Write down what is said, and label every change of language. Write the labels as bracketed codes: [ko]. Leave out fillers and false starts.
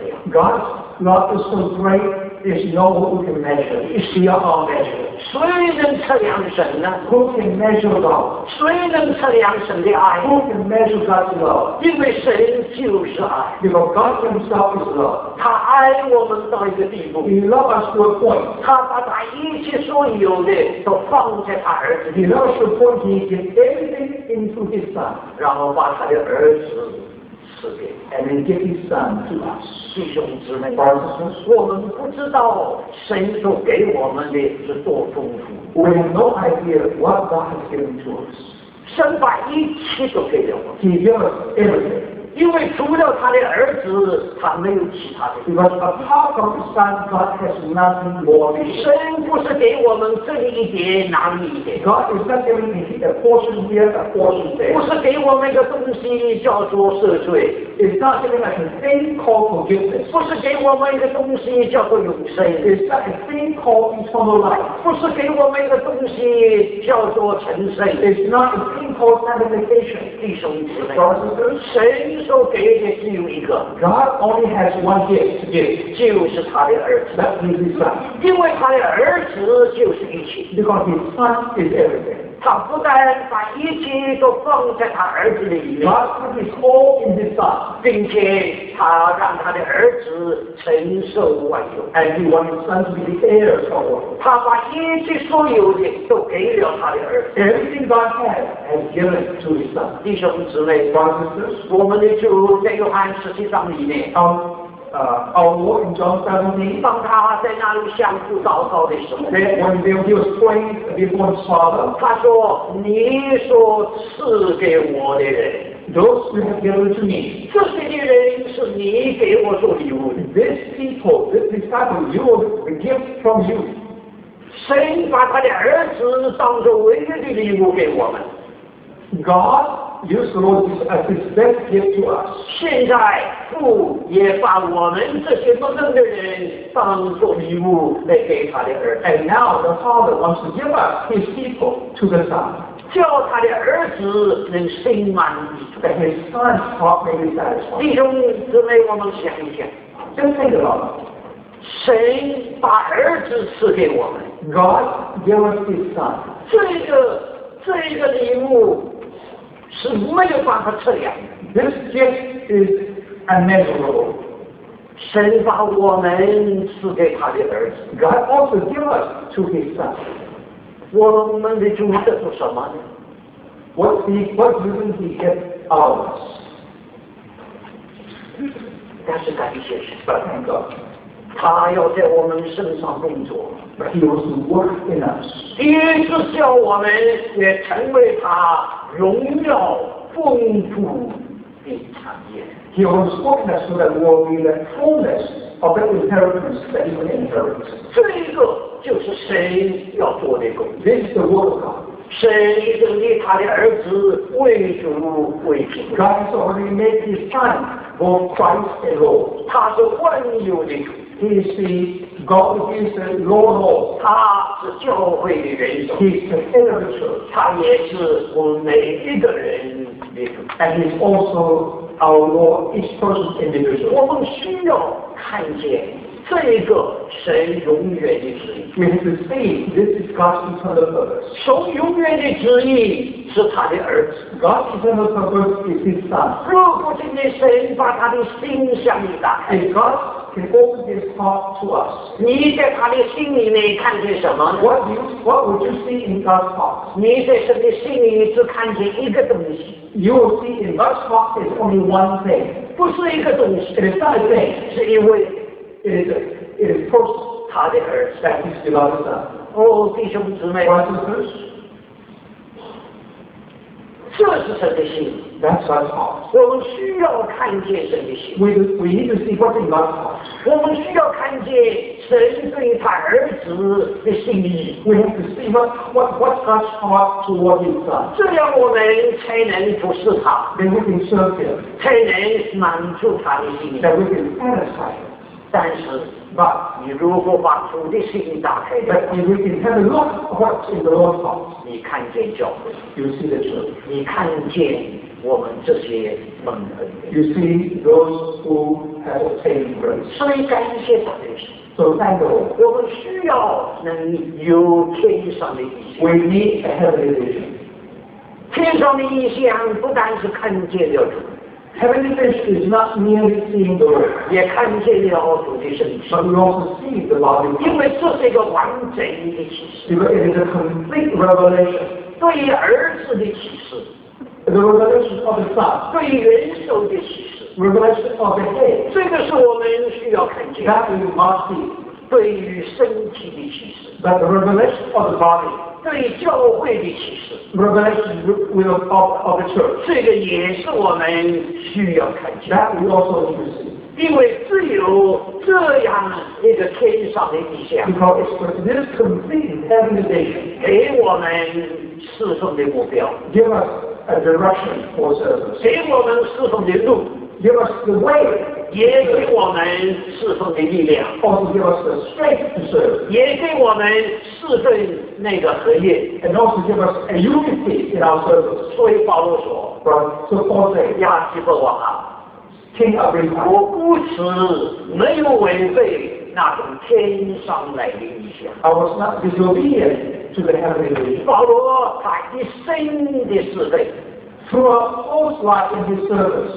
[en] God's love is so great, there's no one who can measure. It's beyond our measure. [zh] 谁能测量神呢? [en] Who can measure God? [zh] 谁能测量神的爱? [en] Who can measure God's love? [zh] 因为神就是爱, [en] because God Himself is love. [zh] 他爱我们到一个地步, [en] He loves us to a point. [zh] 他把他一切所有的都放在他儿子里, [en] He loves us to a point. He gives everything into His Son. [zh] 然后把他的儿子, [en] and then give His Son to us. [zh] 弟兄姊妹, [en] brothers, [zh] 我们不知道神所给我们的是多丰富, [en] we have no idea what God has given to us. [zh] 神把一切都给了我们, [en] He gave us everything. [zh] 因为除了他的儿子, 他没有其他的, [en] because apart from His Son, God has nothing more. [zh] 神不是给我们这里一点哪里一点, [en] God is not giving me a portion here, a portion there. [zh] 不是给我们一个东西叫做赦罪, [en] it's not giving us a thing called forgiveness. [zh] 不是给我们一个东西叫做永生, [en] it's not a thing called eternal life. [zh] 不是给我们一个东西叫做成圣, [en] it's not a thing called sanctification. [zh] 弟兄姊妹, 神受给予的只有一个。 [en] God only has one gift to give， [zh] 就是他的儿子。 [en] That is His Son。 [zh] 因为他的儿子就是一切。 [en] Because His Son is everything。 [zh] 他不但把一切都放在他儿子里面。 [en] God put His all in His Son， [zh] 并且他让他的儿子承受万有。 [en] And He wants His Son to be the heir of all。 [zh] 他把一切所有的都给了他的儿子。 [en] Everything God has has given to His Son。 [zh] 弟兄姊妹 [en] ，Brothers， [zh] 我们的主在约翰十七章里面。 [en] Our Lord in John 17, [zh] 当他在那里向父祷告的时候 [en] then when he was praying before his Father, [zh] 他说你所赐给我的人 [en] those who have given to me, [zh] 这些人是你给我做礼物的 [en] this people, this disciple, you will give from you, [zh] 神把他的儿子当作唯一的礼物给我们 [en] GodUse the Lord as His best gift to us. [zh] 现在父也把我们这些不正的人当作礼物来给他的儿子。 [en] And now the Father wants to give us His people to the Son. [zh] 叫他的儿子能心满意足。 [en] That His Son's heart may be satisfied. [zh] 弟兄姊妹，我们想一想。 [en] Just think about it. [zh] 神把儿子赐给我们。 [en] God gave us His Son. [zh] 这一个礼物。是没有办法测量的。 [en] This gift is immeasurable. [zh] 神把我们赐给他的儿子。 [en] God also gave us to His Son. [zh] 我们的主得到什么呢 [en] ？What didn't He get out of us? [zh] 但是感谢神。 [en] But thank God. [zh] 他要在我们身上工作。 [en] But He was working us. [zh] 也是叫我们也成为他。荣耀丰富的产业。 [en] He has spoken us so that we will be the fullness of the inheritance that He will inherit. [zh] 这个就是神要做的工作。 [en] This is the work of God. [zh] 神已经立他的儿子为主为主。 [en] God has already made His Son for Christ the Lord. [zh] 他是万有的主。 [en] He is the God who is the Lord of all. [zh] 他是教会的元首。 [en] He is the head of the church. [zh] 他也是我们每一个人的主。 [en] And he is also our Lord, each person individual. [zh] 我们需要看见这一个神永远的旨意。 [en] We have to see this is God's eternal purpose. [zh] 神永远的旨意是他的儿子。 [en] God's eternal purpose is his son. [zh] 如果今天神把他的心向你打开。 [en] He opened his heart to us. [zh] 你在他的心里面看见什么 [en] what would you see in God's heart? [zh] 你在神的心里只看见一个东西。 [en] You will see in God's heart is only one thing. [zh] 不是一个东西。 [en] It is not a thing. [zh] 是因为 [en] it is first [zh] 他的儿子。 [en] That is the Lord's son. [zh] 哦，弟兄姊妹。 [en] Brothers and sisters. [zh] 这是神的心。 [en] That's God's heart. [zh] 我们需要看见神的心。 [en] We need to see what's in God's heart. [zh] 我们需要看见神对他儿子的心意。 [en] We have to see what God's heart toward His Son. [zh] 这样我们才能服侍他。 [en] Then we can serve Him. [zh] 才能满足他的心意。 [en] Then we can satisfy Him. [zh] 但是 [en] ，But [zh] 你如果把主的心意打开 [en] ，But if we can have a look what's in the Lord's heart, [zh] 你看见教会 [en] ，You see the church. [zh] 你看见。我们这些蒙恩的 [en] ，You see those who have obtained grace， [zh] 所以感谢神的事。 [en] So thank the Lord， [zh] 我们需要能有天上的意象。 [en] We need a heavenly vision。 [zh] 天上的意象不单是看见了主 [en] ，Heavenly vision is not merely seeing the Lord， [zh] 也看见了主的身体。 [en] But we also see the body， [zh] 因为这是一个完整的启示。 [en] Because it is a complete revelation， [zh] 对于儿子的启示。 [en] The revelation of the Son. [zh] 对元首的启示。 [en] Revelation of the Head. [zh] 这个是我们需要看见。 [en] That we must see. [zh] 对于身体的启示。 [en] But the revelation of the body. [zh] 对教会的启示。 [en] Revelation of the church. [zh] 这个也是我们需要看见。 [en] That we also need to see. [zh] 因为只有这样一个天上的意象。 [en] Because it's for this complete heavenly vision. [zh] 给我们侍奉的目标。 [en] Give us. A direction for service. [zh] 给我们侍奉的路。 [en] Give us the way. [zh] 也给我们侍奉的力量。 [en] Also give us the strength to serve. [zh] 也给我们侍奉那个合一。 [en] And also give us a unity in our service. [zh] 所以保罗说。 [en] But from supporting [zh] 亚基伯王啊。 [en] King Agrippa, [zh] 我不知没有违背那种天上来的意象。 [en] I was not disobedient to the heavenly vision. [zh] 保罗在一生的侍奉。 [en] Throughout all life in his service,